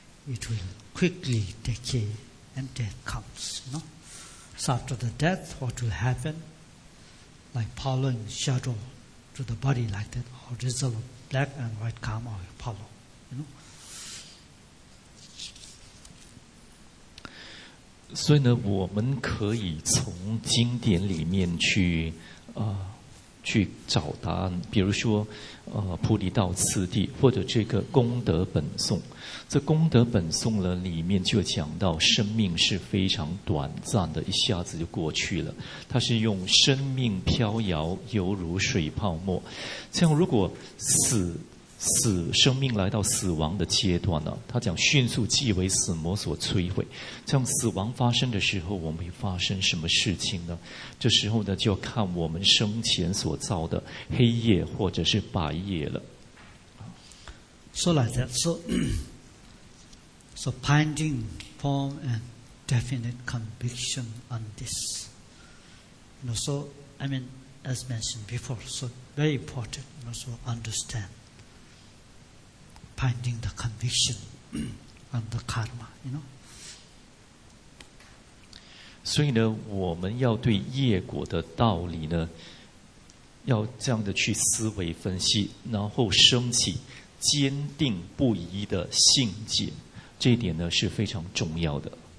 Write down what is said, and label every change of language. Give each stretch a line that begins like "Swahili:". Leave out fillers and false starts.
English: It will quickly decay and death comes, you know. So after the death, what will happen? Like following shadow to the body like that, or result black and white karma or Apollo, you know.
Chinese: 所以呢，我们可以从经典里面去去找答案。比如说，菩提道次第，或者这个功德本颂。这功德本颂呢，里面就讲到生命是非常短暂的，一下子就过去了。它是用生命飘摇，犹如水泡沫。像如果死生命来到死亡的阶段呢，他讲迅速即为死魔所摧毁。像死亡发生的时候，我们会发生什么事情呢？这时候呢，就要看我们生前所造的黑夜或者是白夜了。
English: So like that, so finding firm and definite conviction on this. You know, so I mean, as mentioned before, so very important. You know, so understand. Finding the conviction on the karma, you know.
Chinese: 所以呢，我们要对业果的道理呢，要这样的去思维分析，然后升起坚定不移的信解，这一点呢是非常重要的。